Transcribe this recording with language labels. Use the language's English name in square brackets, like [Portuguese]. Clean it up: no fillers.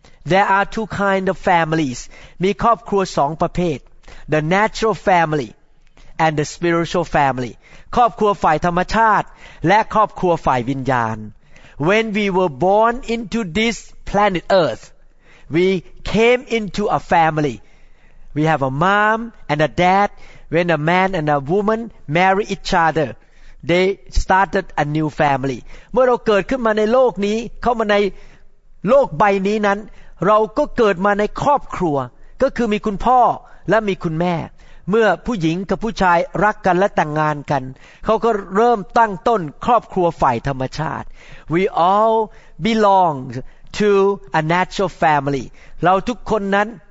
[English] There are two kind of families [Thai] มีครอบครัวสองประเภท [English] The natural familyand the spiritual family [Thai] ครอบครัวฝ่ายธรรมชาติและครอบครัวฝ่ายวิญญาณ [English] when we were born into this planet earth we came into a family. We have a mom and a dad. When a man and a woman marry each other, they started a new family. [Thai] เมื่อเราเกิดขึ้นมาในโลกนี้เข้ามาในโลกใบนี้นั้นเราก็เกิดมาในครอบครัวก็คือมีคุณพ่อและมีคุณแม่เมื่อผู้หญิงกับผู้ชายรักกันและแต่งงานกันเขาก็เริ่มตั้งต้นครอบครัวฝ่ายธรรมชาติ [English] We all belong to a natural family [Thai] เราทุกคนนั้น